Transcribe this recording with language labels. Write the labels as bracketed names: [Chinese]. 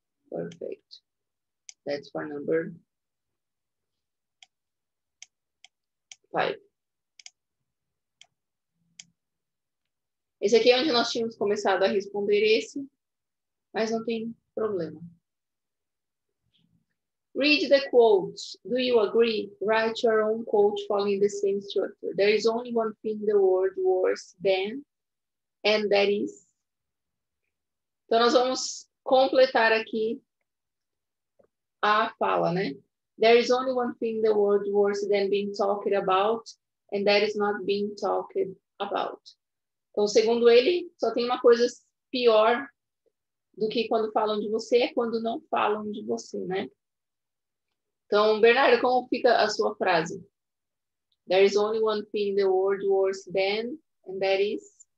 [English] Perfect. That's for number 5. [Portuguese] Esse aqui é onde nós tínhamos começado a responder esse, mas não tem problema. [English] Read the quotes. Do you agree? Write your own quote following the same structure. There is only one thing in the world worse than, and that is. [Portuguese] Então, nós vamos completar aqui a fala, né? [English] There is only one thing in the world worse than being talked about, and that is not being talked about. [Portuguese] Então, segundo ele, só tem uma coisa pior do que quando falam de você é quando não falam de você, né? Então, Bernardo, como fica a sua frase? [English] There is only one thing in the world worse than, and that is?